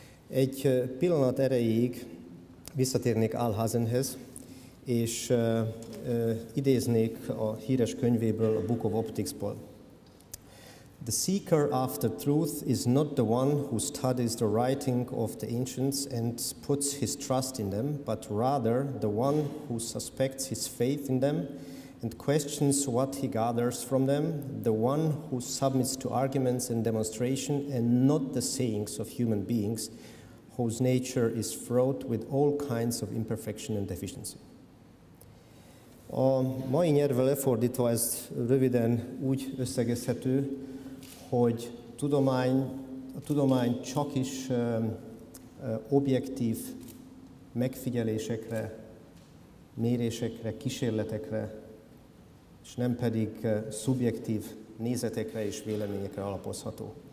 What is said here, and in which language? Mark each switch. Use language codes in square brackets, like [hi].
[hu] Egy pillanat erejéig visszatérnék Alhazenhez, és idéznék a híres könyvéből, a Book of Optics-ból. [en] The seeker after truth is not the one who studies the writing of the ancients and puts his trust in them, but rather the one who suspects his faith in them and questions what he gathers from them, the one who submits to arguments and demonstration and not the sayings of human beings whose nature is fraught with all kinds of imperfection and deficiency. [hu] A mai nyelvre lefordítva ez röviden úgy összegezhető, hogy a tudomány csak is objektív megfigyelésekre, mérésekre, kísérletekre, és nem pedig szubjektív nézetekre és véleményekre alapozható.